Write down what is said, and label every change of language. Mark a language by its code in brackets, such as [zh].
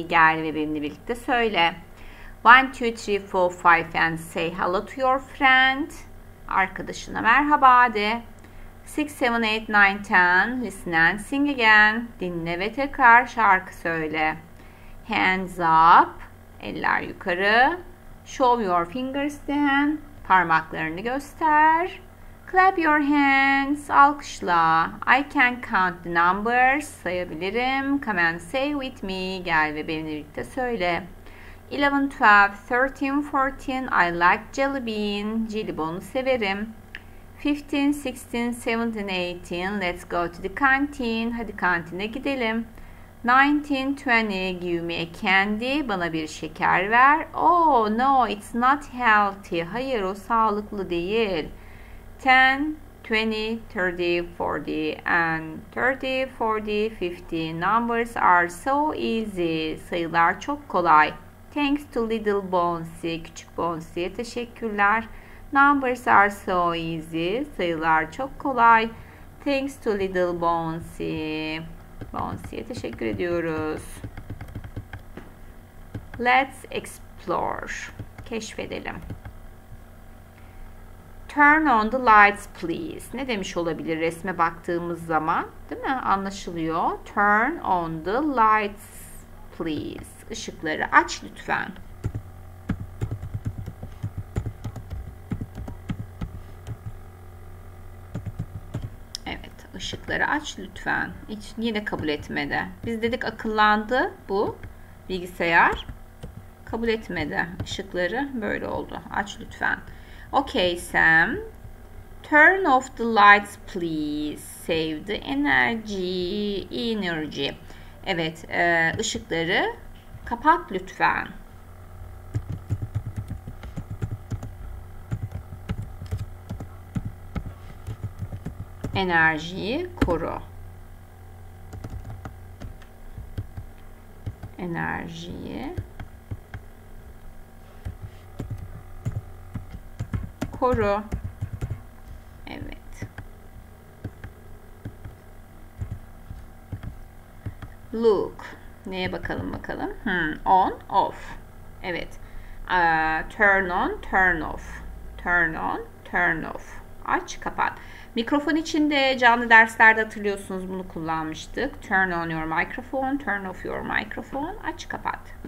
[tr] Gel ve benimle birlikte söyle. [en] 1, 2, 3, 4, 5 and say hello to your friend. [tr] Arkadaşına merhaba de. 6, 7, 8, 9, 10. [en] Listen and sing again. [tr] Dinle ve tekrar şarkı söyle. [en] Hands up. [tr] Eller yukarı. [en] Show your fingers then. [tr] Parmaklarını göster. [en] Clap your hands, [tr] alkışla. [en] I can count the numbers, [tr] sayabilirim. [en] Come and say with me, [tr] gel ve benimle birlikte söyle. [en] 11, 12, 13, 14, I like jelly bean, [tr] jelibonu severim. [en] 15, 16, 17, 18, let's go to the canteen, [tr] hadi kantine gidelim. [en] 19, 20, give me a candy, [tr] bana bir şeker ver. [en] Oh no, it's not healthy, [tr] hayır o sağlıklı değil. [en] 10, 20, 30, 40, and 30, 40, 50. Numbers are so easy. [tr] Sayılar çok kolay. [en] Thanks to little Bonsi. [tr] Küçük Bonsi'ye teşekkürler. [en] Numbers are so easy. [tr] Sayılar çok kolay. [en] Thanks to little Bonsi. [tr] Bonsi'ye teşekkür ediyoruz. [en] Let's explore. [tr] Keşfedelim. [en] Turn on the lights, please. [tr] Ne demiş olabilir resme baktığımız zaman? Değil mi? Anlaşılıyor. [en] Turn on the lights, please. [tr] Işıkları aç lütfen. Evet, ışıkları aç lütfen. Hiç yine kabul etmedi. Biz dedik akıllandı bu bilgisayar. Kabul etmedi. Işıkları böyle oldu. Aç lütfen. [en] Okay, Sam. Turn off the lights, please. Save the energy. Energy. [tr] Evet, ışıkları kapat lütfen. Enerjiyi koru. Enerjiyi koru. Evet. [en] Look. [tr] Neye bakalım bakalım? [en] On, off. [tr] Evet. [en] Turn on, turn off. Turn on, turn off. [tr] Aç, kapat. Mikrofon için de canlı derslerde hatırlıyorsunuz bunu kullanmıştık. [en] Turn on your microphone, turn off your microphone. [tr] Aç, kapat.